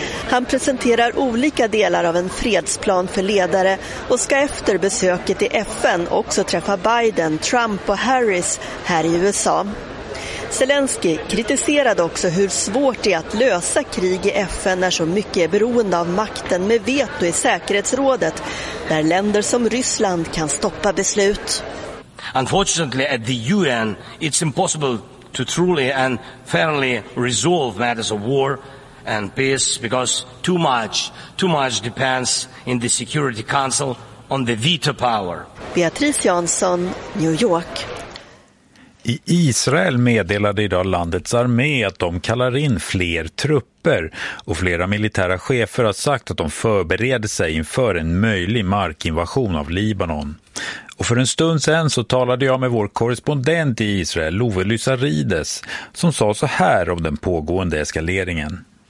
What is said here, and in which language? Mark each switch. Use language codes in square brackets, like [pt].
[sv] Han presenterar olika delar av en fredsplan för ledare och ska efter besöket i FN också träffa Biden, Trump och Harris här i USA. Zelensky kritiserade också hur svårt det är att lösa krig i FN när så mycket är beroende av makten med veto i säkerhetsrådet, där länder som Ryssland kan stoppa beslut. [en] Unfortunately, at the UN, it's impossible to truly and fairly resolve matters of war and peace because too much depends in the Security Council on the veto power. [sv] Beatrice Jansson, New York. I Israel meddelade idag landets armé att de kallar in fler trupper och flera militära chefer har sagt att de förbereder sig inför en möjlig markinvasion av Libanon. Och för en stund sen så talade jag med vår korrespondent i Israel, Love Lysarides, som sa så här om den pågående eskaleringen.